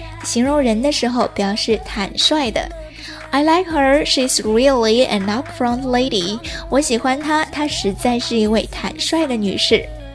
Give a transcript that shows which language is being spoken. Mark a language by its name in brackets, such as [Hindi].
[Chinese] 形容人的时候表示坦率的。 [English] I like her, she's really an upfront lady。 [Chinese] 我喜欢她，她实在是一位坦率的女士。